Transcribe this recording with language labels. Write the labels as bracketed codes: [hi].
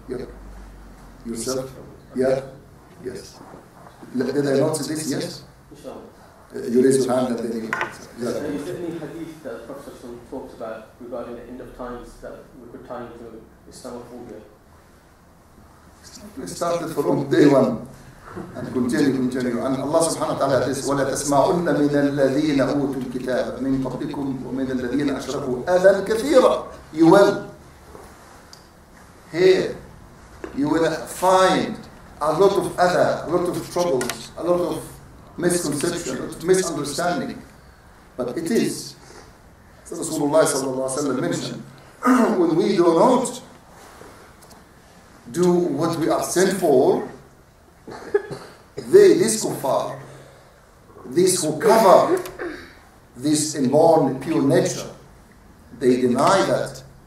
[en] Yeah. Yourself? Yeah? Yes. Did I not say this? Yes? You raise your hand and then you can answer. Is there any hadith that the Prophet talks about regarding the end of times that we're tying to Islamophobia? We started from day one and continue. And Allah subhanahu wa ta'ala says, [ar] وَلَا تَسْمَعُنَّ مِنَ الَّذِينَ أُوتُوا الْكِتَابَ مِنْ قَبْلِكُمْ وَمِنَ الَّذِينَ أَشْرَكُوا أَذًا كَثِيرًا. [en] You will. Here, you will find a lot of other, a lot of troubles, a lot of misconception, a lot of misunderstanding. But it is. Rasulullah sallallahu alayhi wa sallam mentioned, when we do not do what we are sent for, they, these kuffar, these who cover this inborn pure nature, they deny that.